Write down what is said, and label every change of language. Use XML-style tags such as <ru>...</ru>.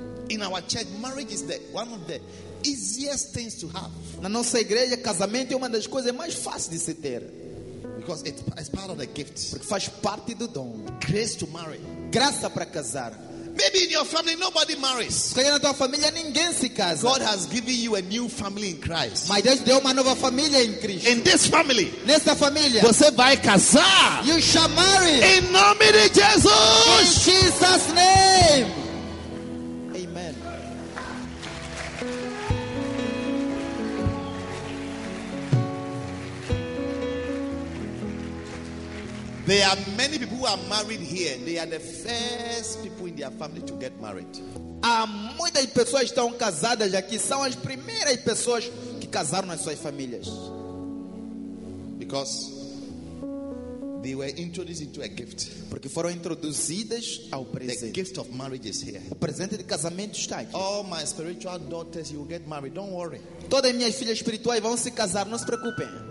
<en>In our church, marriage is one of the easiest things to have.</en> <pt>Na nossa igreja, casamento é uma das coisas mais fáceis de se ter.</pt> <en>Because it's part of the gift.</en> <pt>Porque faz parte do dom.</pt> <en>Grace to marry.</en> <pt>Graça para casar.</pt> <en>Maybe in your family nobody marries.</en> <pt>Porque na tua família ninguém se casa.</pt> <en>God has given you a new family in Christ.</en> <pt>Mas Deus deu uma nova família em Cristo.</pt> <en>In this family.</en> <pt>Nesta família. Você vai casar.</pt> <en>You shall marry.</en> <pt>Em nome de Jesus.</pt> <en>In Jesus' name. There are many people who are married here. They are the first people in their family to get married.</en> <pt>Há muitas pessoas que estão casadas aqui, são as primeiras pessoas que casaram nas suas famílias.</pt> <en>Because they were introduced into a gift.</en> <pt>Porque foram introduzidas ao presente.</pt> <en>The gift of marriage is here.</en> <pt>O presente de casamento está aqui.</pt> <en>All my spiritual daughters, you will get married. Don't worry.</en> <pt>Todas minhas filhas espirituais vão se casar, não se preocupem.</pt>